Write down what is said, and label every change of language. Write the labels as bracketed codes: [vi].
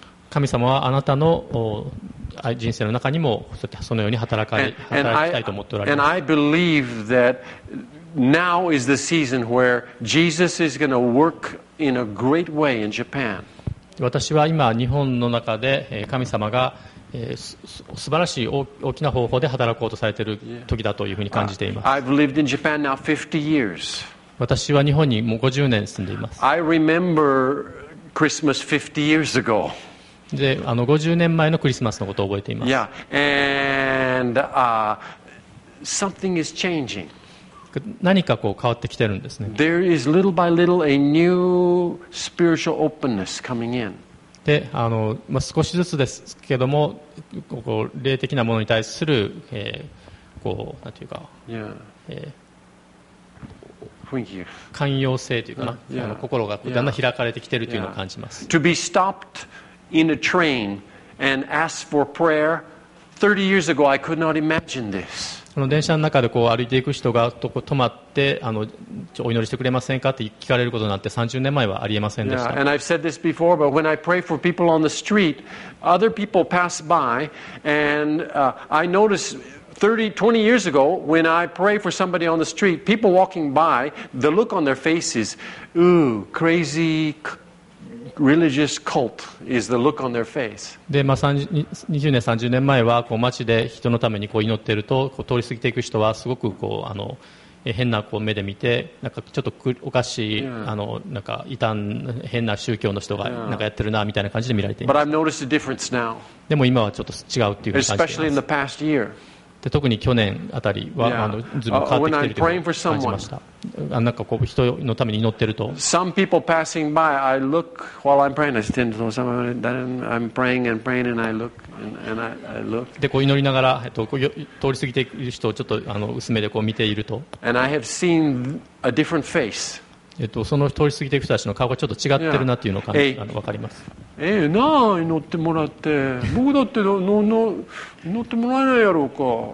[ja] 神様はあなたの人生の中にもそのように働きたいと思っておられます。 [en] I believe that now is the season where Jesus is going to work in a great way in Japan. [ja] 私は今日本の中で神様が素晴らしい 大きな方法で働こうとされている時だというふうに感じています。 [en] I've lived in Japan now 50 years. [ja] 私は日本にもう50年住んでいます。 [en] I remember Christmas 50 years ago. [ja] で、50年前のクリスマスのことを覚えています。 [en] Yeah. And, something is changing. [ja] 何かこう変わってきてるんですね。 [en] There is little by little a new spiritual openness coming in. [ja] で少しずつですけども、こう霊的なものに対する、こうなんていうか、 yeah. 寛容性というか、心がだんだん開かれてきているというのを感じます。 [en] To be stopped in a train and ask for prayer 30 years ago, I could not imagine this. [ja] 電車の中でこう歩いていく人が止まってお祈りしてくれませんかって聞かれることになって30年前はありえませんでした。 [en] Yeah, and I've said this before, but when I pray for people on the street, other people pass by, and I notice 20 years ago, when I pray for somebody on the street, people walking by, the look on their faces, ooh, crazy religious cult is the look on their face. [ja] で、20年30年前はこう街で人のためにこう祈っているとこう通り過ぎていく人はすごくこう変なこう目で見てなんかちょっとおかしい、yeah. なんか異端変な宗教の人がなんかやってるなみたいな感じで見られています。 [en] But I've noticed a difference now. [ja] でも今はちょっと違うっていう感じです。 [en] Especially in the past year. [ja] で特に去年あたりは、yeah. ずいぶん変わってきているというのを感じました。なんかこう人のために祈ってると [en] Some people passing by, I look while I'm praying. I stand to someone, then I'm praying and praying and I look and I look. [ja] でこう祈りながら通り過ぎている人をちょっと薄目でこう見ていると [en] And I have seen a different face. [ja] その通り過ぎている人たちの顔がちょっと違ってるなというのを分かります。ええなあ祈ってもらって僕だってのの祈ってもらえないやろうか。